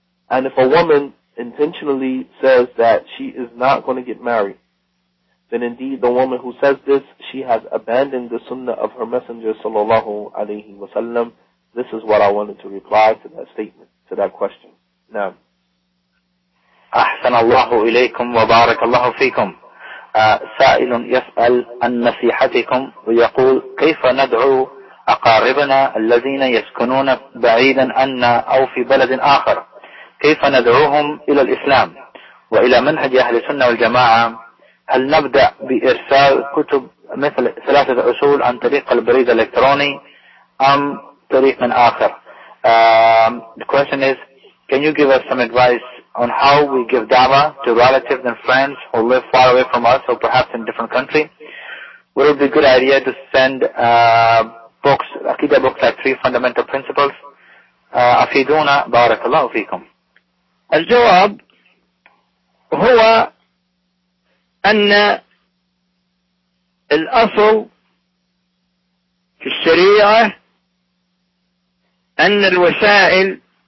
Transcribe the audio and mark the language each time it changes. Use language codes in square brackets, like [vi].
[en] And if a woman intentionally says that she is not going to get married, then indeed the woman who says this, she has abandoned the sunnah of her Messenger sallallahu alaihi wasallam. This is what I wanted to reply to that statement, to that question. Now. [ar] أحسن الله إليكم وبارك الله فيكم. سائل يسأل عن نصيحتكم ويقول كيف ندعو أقاربنا الذين يسكنون بعيدا عنا أو في بلد آخر كيف ندعوهم إلى الإسلام وإلى منهج أهل السنة والجماعة هل نبدأ بإرسال كتب مثل ثلاثة أصول عن طريق البريد الإلكتروني أم طريق من آخر [en] the question is can you give us some advice on how we give dawah to relatives and friends who live far away from us or perhaps in different country. Would it be a good idea to send books, Aqidah books like Three Fundamental Principles? [ar] أفيدونا بارك الله فيكم. الجواب هو أن الأصل في الشريعة أن الوسائل